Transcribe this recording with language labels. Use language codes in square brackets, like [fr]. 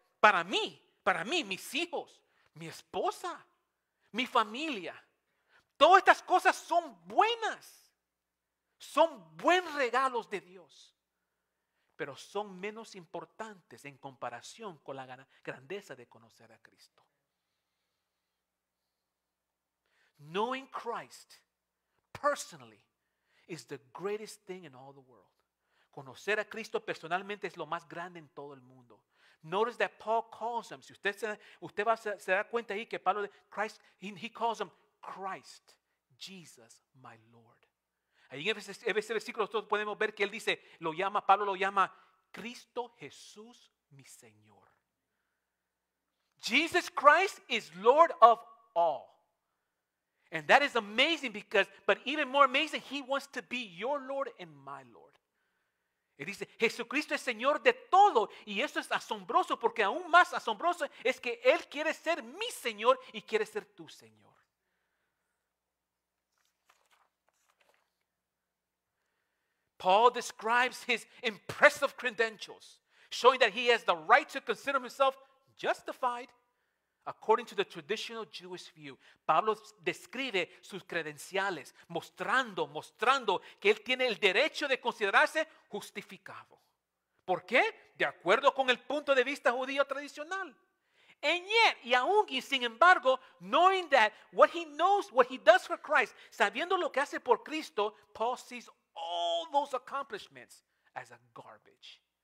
[es] Para mí, mis hijos, mi esposa, mi familia, todas estas cosas son buenas, son buen regalos de Dios, pero son menos importantes en comparación con la grandeza de conocer a Cristo. [en] Knowing Christ personally is the greatest thing in all the world. [es] Conocer a Cristo personalmente es lo más grande en todo el mundo. [en] Notice that Paul calls him. [es] Si usted va se da cuenta ahí que Pablo, [en] Christ, he calls him Christ, Jesus, my Lord. [es] Ahí en ese versículo nosotros podemos ver que él dice, Pablo lo llama Cristo Jesús, mi Señor. [en] Jesus Christ is Lord of all. And that is amazing but even more amazing, he wants to be your Lord and my Lord. [es] Él dice, Jesucristo es Señor de todo. Y eso es asombroso porque aún más asombroso es que Él quiere ser mi Señor y quiere ser tu Señor. [en] Paul describes his impressive credentials, showing that he has the right to consider himself justified according to the traditional Jewish view. [es] Pablo describe sus credenciales, mostrando que él tiene el derecho de considerarse justificado. ¿Por qué? De acuerdo con el punto de vista judío tradicional. [en] And yet, [es] y aún y sin embargo, [en] knowing that what he knows, what he does for Christ, [es] sabiendo lo que hace por Cristo, [en] Paul sees all those accomplishments as a garbage.